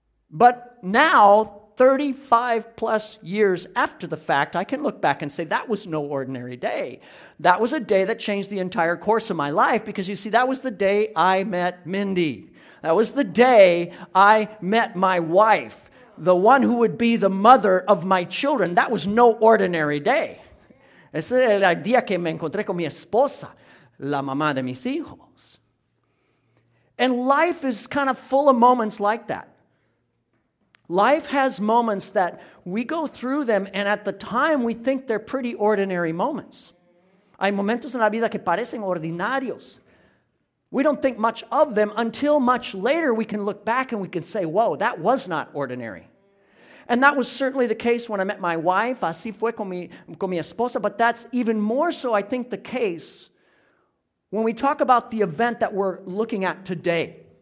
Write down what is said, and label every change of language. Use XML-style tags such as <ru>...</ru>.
<en>But now, 35 plus years after the fact, I can look back and say that was no ordinary day. That was a day that changed the entire course of my life because, you see, that was the day I met Mindy. That was the day I met my wife, the one who would be the mother of my children. That was no ordinary day.</en> <es>Ese es el día que me encontré con mi esposa, la mamá de mis hijos.</es> <en>And life is kind of full of moments like that. Life has moments that we go through them, and at the time, we think they're pretty ordinary moments.</en> <es>Hay momentos en la vida que parecen ordinarios.</es> <en>We don't think much of them until much later we can look back and we can say, whoa, that was not ordinary. And that was certainly the case when I met my wife.</en> <es>Así fue con mi esposa.</es> <en>But that's even more so, I think, the case when we talk about the event that we're looking at today.</en>